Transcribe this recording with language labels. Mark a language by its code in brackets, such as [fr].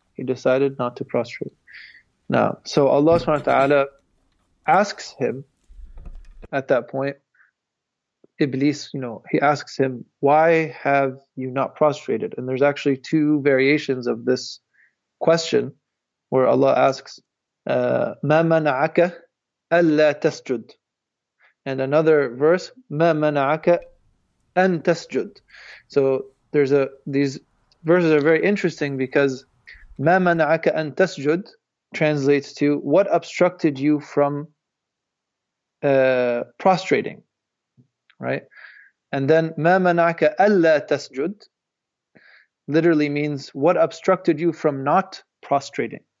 [en] He decided not to prostrate. Now, so Allah subhanahu wa ta'ala asks him at that point, Iblis, you know, he asks him, why have you not prostrated? And there's actually two variations of this question where Allah asks, [ar] مَا مَنَعَكَ أَلَّا تَسْجُدْ. [en] And another verse, [ar] مَا مَنَعَكَ أَن تَسْجُدْ. [en] So these verses are very interesting, because [ar] مَا مَنَعَكَ أَن تَسْجُدْ [en] translates to, what obstructed you from prostrating? Right, and then [ar] ma manaka alla tasjud [en] literally means, what obstructed you from not prostrating.